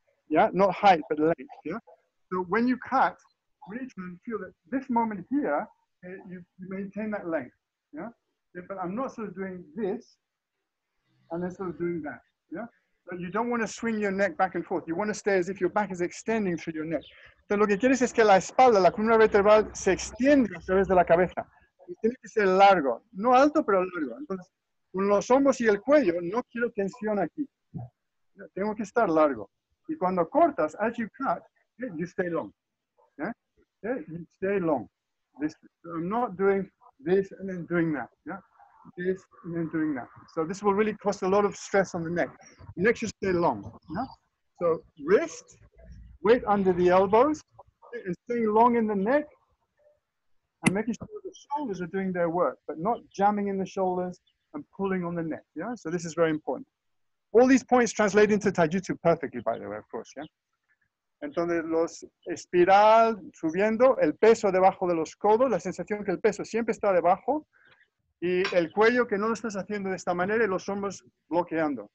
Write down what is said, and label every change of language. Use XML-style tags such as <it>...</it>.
<en>Yeah, not height, but length, yeah? So when you cut, really try and feel that this moment here, you maintain that length. Yeah, but I'm not sort of doing this, and then sort of doing that. Yeah, but you don't want to swing your neck back and forth. You want to stay as if your back is extending through your neck.</en> <es>So lo que quieres es que la espalda, la columna vertebral, se extiende a través de la cabeza. Y tiene que ser largo, no alto, pero largo. Entonces, con los hombros y el cuello, no quiero tensión aquí. Yeah. Tengo que estar largo. Y cuando cortas,</es> <en>as you cut, yeah, you stay long. Yeah, yeah, you stay long. This, so I'm not doing this and then doing that, yeah? This and then doing that. So this will really cause a lot of stress on the neck. The neck should stay long, yeah? So wrist, weight under the elbows, and staying long in the neck, and making sure the shoulders are doing their work, but not jamming in the shoulders and pulling on the neck, yeah? So this is very important. All these points translate into Taijutsu perfectly, by the way, of course, yeah?</en> <es>Entonces, los espiral, subiendo, el peso debajo de los codos, la sensación que el peso siempre está debajo, y el cuello que no lo estás haciendo de esta manera y los hombros bloqueando.</es>